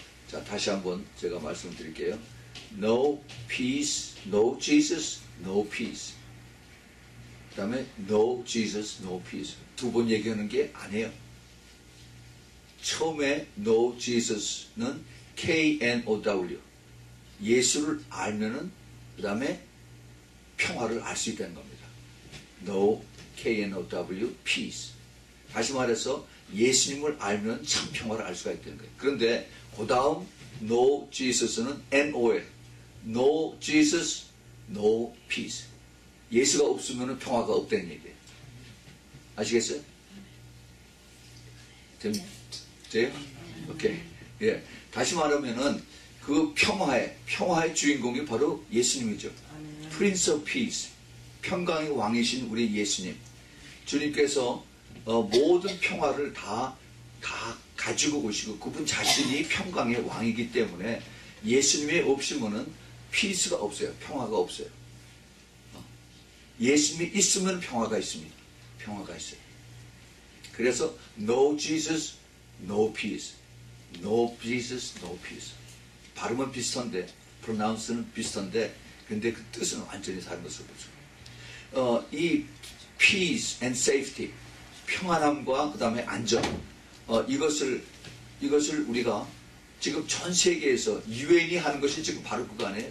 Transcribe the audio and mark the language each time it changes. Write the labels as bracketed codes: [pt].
[ko] 자, 다시 한번 제가 말씀드릴게요. [en] No peace, no Jesus, no peace. [ko] 그 다음에 [en] No Jesus, no peace. [ko] 두 번 얘기하는 게 아니에요. 처음에 [en] No Jesus는 [ko] K-N-O-W. 예수를 알면은 그 다음에 평화를 알 수 있다는 겁니다. [en] No K-N-O-W, peace. [ko] 다시 말해서 예수님을 알면 참 평화를 알 수가 있다는 거예요. 그런데 그 다음 [en] No Jesus는 [ko] N-O-L. [en] No Jesus, no peace. [ko] 예수가 없으면 평화가 없다는 얘기예요. 아시겠어요? 돼요? 오케이. 예. 다시 말하면은 그 평화의 주인공이 바로 예수님이죠. [en] Prince of Peace. [ko] 평강의 왕이신 우리 예수님. 주님께서 모든 평화를 다 가지고 오시고 그분 자신이 평강의 왕이기 때문에 예수님이 없으면은 peace가 없어요. 평화가 없어요. 예수님이 있으면 평화가 있습니다. 평화가 있어요. [en] 그래서 No Jesus, No Peace. No Jesus, No Peace. [ko] 발음은 비슷한데, pronounce는 비슷한데, 근데 그 뜻은 완전히 다른 것을 보죠. 이 [en] Peace and Safety, [ko] 평안함과 그 다음에 안전, 이것을 우리가 지금 전 세계에서 UN이 하는 것이 지금 바로 그거 아니에요?